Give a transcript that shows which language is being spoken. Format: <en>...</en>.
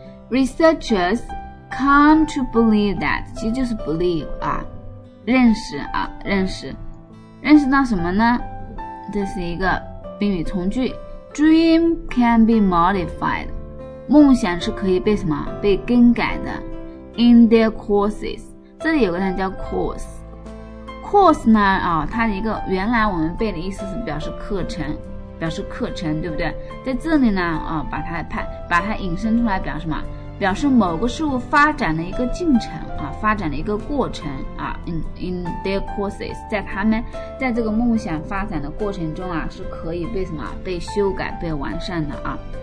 <en>ResearchersCome to believe that，</en> <zh>其实就是 believe 啊，认识啊，认识，认识到什么呢？这是一个宾语从句。</zh> <en>Dream can be modified，</en> <zh>梦想是可以被什么，被更改的。</zh> <en>In their courses，</en> <zh>这里有个单词叫 course。 course 呢啊，它的一个原来我们背的意思是表示课程，表示课程，对不对？在这里呢啊，把它引申出来表示什么？表示某个事物发展的一个进程啊，发展的一个过程啊。</zh> <en>in their courses，</en> <zh>在他们在这个梦想发展的过程中啊，是可以被什么，被修改，被完善的啊。</zh>